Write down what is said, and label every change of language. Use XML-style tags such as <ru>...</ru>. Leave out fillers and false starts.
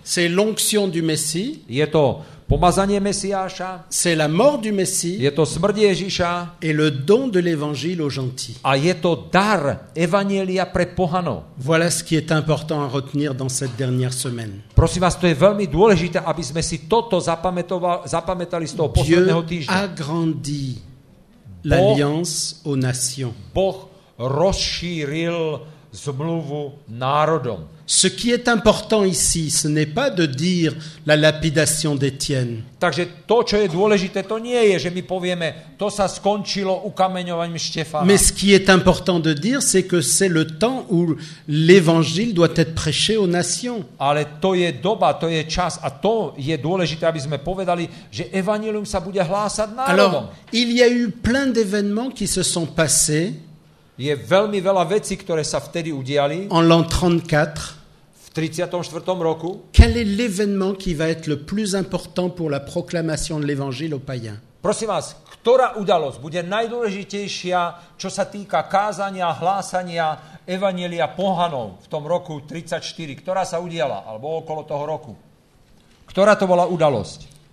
<fr>C'est l'onction du Messie.</fr> <sk>Je to pomazanie Mesiáša.</sk> <fr>C'est la mort du Messie.</fr> <sk>Je to smrť Ježiša.</sk> <fr>Et le don de l'évangile aux gentils.</fr> <sk>A je to dar evanjelia pre pohanov.</sk> <fr>Voilà ce qui est important à retenir dans cette dernière semaine.</fr> <sk>Prosím vás, to je veľmi dôležité, aby sme si toto zapamätali z toho posledného týždňa.</sk> <fr>Dieu a grandi l'alliance aux nations.</fr> <sk>Boh rozšíril zmluvu národom.</sk> <fr>Ce qui est important ici, ce n'est pas de dire la lapidation d'Étienne.</fr> <sk>Takže to, čo je dôležité, to nie je, že my povieme, to sa skončilo ukameňovaním Štefana.</sk> <fr>Mais ce qui est important de dire, c'est que c'est le temps où l'évangile doit être prêché aux nations.</fr> <sk>Ale to je doba, to je čas a to je dôležité, aby sme povedali, že evanjelium sa bude hlásať národom.</sk> <fr>Alors, il y a eu plein d'événements qui se sont passés.</fr> <sk>Je veľmi veľa vecí, ktoré sa vtedy udiali.</sk> <fr>En l'an 34.</fr> <sk>V 34. roku.</sk> <fr>Quel est l'événement qui va être le plus important pour la proclamation de l'évangile aux païens?</fr> <sk>Prosím vás, ktorá udalosť bude najdôležitejšia, čo sa týka kázania, hlásania evanjelia pohanov v tom roku 34, ktorá sa udiala, alebo okolo toho roku? Ktorá to bola udalosť?</sk>